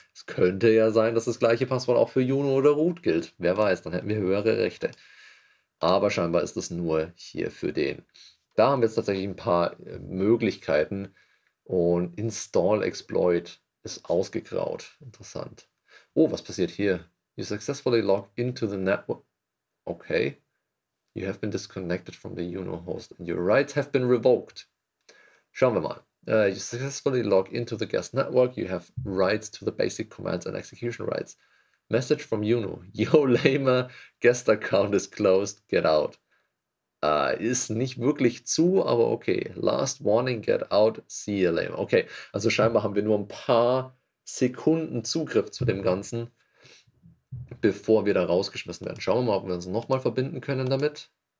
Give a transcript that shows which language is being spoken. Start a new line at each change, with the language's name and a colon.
German: Es könnte ja sein, dass das gleiche Passwort auch für Juno oder Root gilt. Wer weiß, dann hätten wir höhere Rechte. Aber scheinbar ist das nur hier für den. Da haben wir jetzt tatsächlich ein paar Möglichkeiten. Und Install Exploit ist ausgegraut. Interessant. Oh, was passiert hier?
English: You successfully log into the network. Okay. You have been disconnected from the Juno host and your rights have been revoked.
German: Schauen wir mal.
English: You successfully log into the guest network. You have rights to the basic commands and execution rights. Message from Juno. Yo, Lamer, guest account is closed. Get out.
German: Ist nicht wirklich zu, aber okay.
English: Last warning, get out. See you, Lamer.
German: Okay, also scheinbar haben wir nur ein paar Sekunden Zugriff zu dem Ganzen, bevor wir da rausgeschmissen werden. Schauen wir mal, ob wir uns nochmal verbinden können damit.